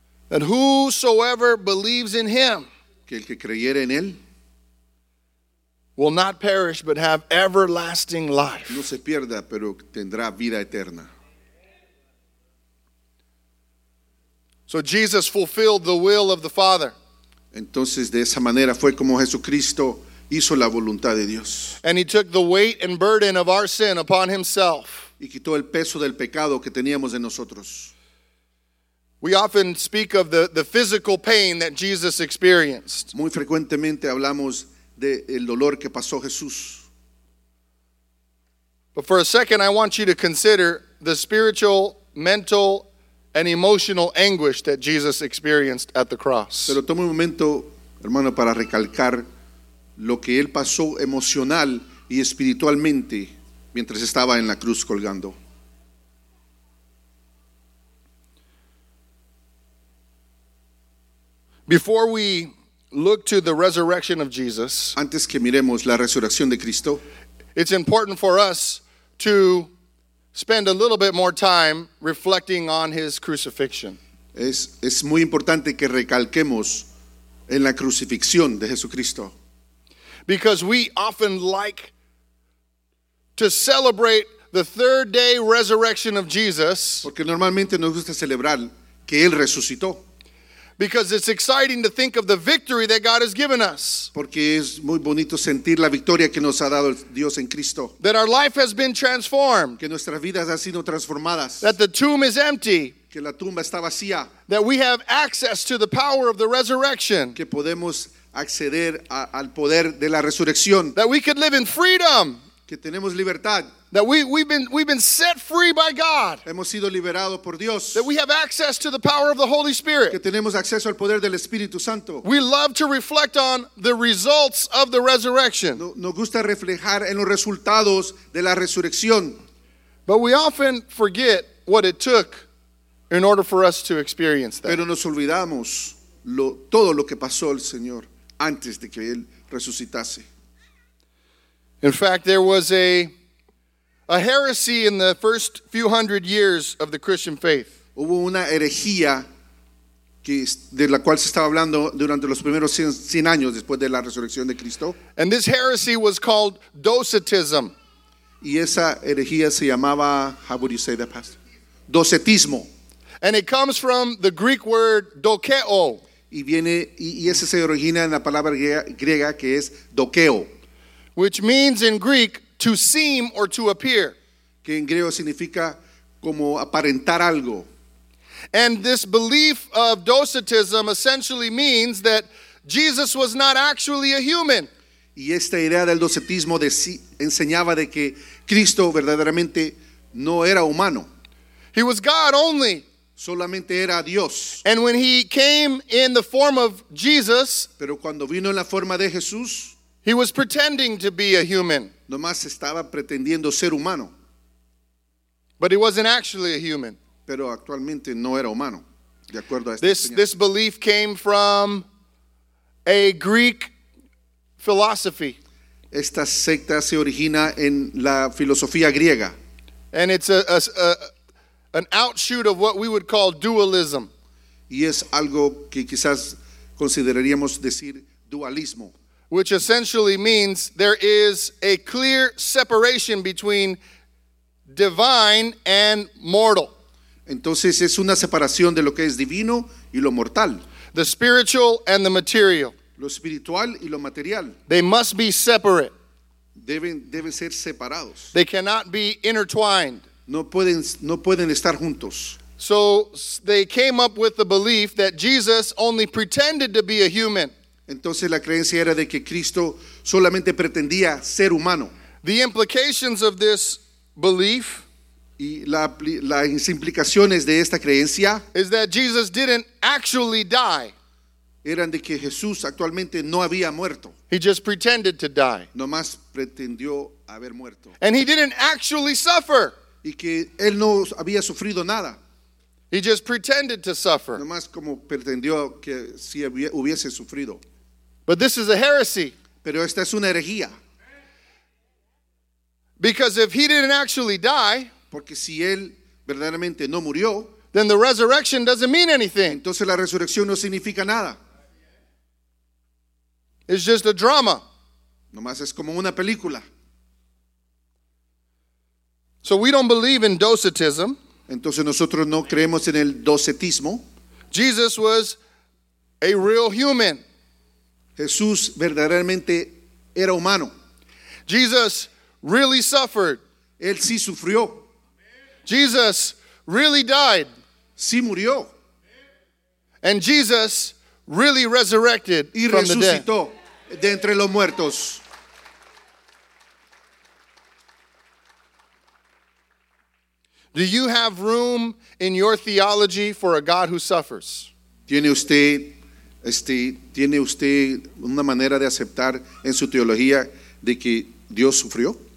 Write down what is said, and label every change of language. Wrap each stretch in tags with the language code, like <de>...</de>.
<en>And whosoever believes in him,</en> <es>que el que creyere en él,</es> <en>will not perish but have everlasting life.</en> <es>No se pierda, pero tendrá vida eterna.</es> <en>So Jesus fulfilled the will of the Father.</en> <es>Entonces de esa manera fue como Jesucristo hizo la voluntad de Dios.</es> <en>And he took the weight and burden of our sin upon himself.</en> <es>Y quitó el peso del pecado que teníamos en nosotros.</es> <en>We often speak of the physical pain that Jesus experienced.</en> <es>Muy frecuentemente hablamos del dolor que pasó Jesús.</es> <en>But for a second, I want you to consider the spiritual, mental, and emotional anguish that Jesus experienced at the cross.</en> <es>Pero tome un momento, hermano, para recalcar lo que él pasó emocional y espiritualmente mientras estaba en la cruz colgando.</es> <en>Before we look to the resurrection of Jesus,</en> <es>antes que miremos la resurrección de Cristo,</es> <en>it's important for us to spend a little bit more time reflecting on his crucifixion.</en> <es>Es muy importante que recalquemos en la crucifixión de Jesucristo.</es> <en>Because we often like to celebrate the third day resurrection of Jesus.</en> <es>Porque normalmente nos gusta celebrar que él resucitó.</es> <en>Because it's exciting to think of the victory that God has given us.</en> <es>Porque es muy bonito sentir la victoria que nos ha dado Dios en Cristo.</es> <en>That our life has been transformed.</en> <es>Que nuestras vidas han sido transformadas.</es> <en>That the tomb is empty.</en> <es>Que la tumba está vacía.</es> <en>That we have access to the power of the resurrection.</en> <es>Que podemos acceder al poder de la resurrección.</es> <en>That we could live in freedom.</en> <es>Que tenemos libertad.</es> <en>That we've been set free by God.</en> <es>Hemos sido liberados por Dios.</es> <en>That we have access to the power of the Holy Spirit.</en> <es>Que tenemos acceso al poder del Espíritu Santo.</es> <en>We love to reflect on the results of the resurrection.</en> <es>Nos gusta reflejar en los resultados de la resurrección.</es> <en>But we often forget what it took in order for us to experience that.</en> <es>Pero nos olvidamos todo lo que pasó el Señor antes de que él resucitase.</es> <en>In fact, there was a heresy in the first few hundred years of the Christian faith.</en> <es>Hubo una herejía de la cual se estaba hablando durante los primeros 100 años después de la resurrección de Cristo.</es> <en>And this heresy was called docetism.</en> <es>Y esa herejía se llamaba,</es> <en>how would you say that, Pastor?</en> <es>Docetismo.</es> <en>And it comes from the Greek word dokeo.</en> <es>Y viene, y ese se origina en la palabra griega que es dokeo.</es> <en>Which means in Greek to seem or to appear.</en> <es>Que en griego significa como aparentar algo.</es> <en>And this belief of docetism essentially means that Jesus was not actually a human.</en> <es>Y esta idea del docetismo enseñaba de que Cristo verdaderamente no era humano.</es> <en>He was God only.</en> <es>Solamente era Dios.</es> <en>And when he came in the form of Jesus,</en> <es>pero cuando vino en la forma de Jesús,</es> <en>he was pretending to be a human.</en> <es>Nomás estaba pretendiendo ser humano.</es> <en>But he wasn't actually a human.</en> <es>Pero actualmente no era humano, de acuerdo a esta enseñanza.</es> <en>This belief came from a Greek philosophy.</en> <es>Esta secta se origina en la filosofía griega.</es> <en>And it's an outshoot of what we would call dualism.</en> <es>Y es algo que quizás consideraríamos decir dualismo.</es> <en>Which essentially means there is a clear separation between divine and mortal.</en> <es>Entonces es una separación de lo que es divino y lo mortal.</es> <en>The spiritual and the material.</en> <es>Lo espiritual y lo material.</es> <en>They must be separate.</en> <es>Deben ser separados.</es> <en>They cannot be intertwined.</en> <es>No pueden estar juntos.</es> <en>So they came up with the belief that Jesus only pretended to be a human.</en> <es>Entonces la creencia era de que Cristo solamente pretendía ser humano.</es> <en>The implications of this belief</en> <es>y las implicaciones de esta creencia</es> <en>is that Jesus didn't actually die.</en> <es>Eran de que Jesús actualmente no había muerto.</es> <en>He just pretended to die.</en> <es>Nomás pretendió haber muerto.</es> <en>And he didn't actually suffer.</en> <es>Y que él no había sufrido nada.</es> <en>He just pretended to suffer.</en> <es>Nomás como pretendió que si hubiese sufrido.</es> <en>But this is a heresy.</en> <es>Pero esta es una herejía.</es> <en>Because if he didn't actually die,</en> <es>porque si él verdaderamente no murió,</es> <en>then the resurrection doesn't mean anything.</en> <es>Entonces la resurrección no significa nada.</es> <en>It's just a drama.</en> <es>Nomás es como una película.</es> <en>So we don't believe in docetism.</en> <es>Entonces nosotros no creemos en el docetismo.</es> <en>Jesus was a real human.</en> <es>Jesús verdaderamente era humano.</es> <en>Jesus really suffered.</en> <es>Él sí sufrió.</es> <en>Jesus really died.</en> <es>Sí murió.</es> <en>And Jesus really resurrected</en> <es>y</es> <en>from the dead.</en> <es>Y resucitó de entre los muertos.</es> <en>Do you have room in your theology for a God who suffers?</en> <es>¿Tiene usted una manera de aceptar en su teología de que Dios sufrió?</es>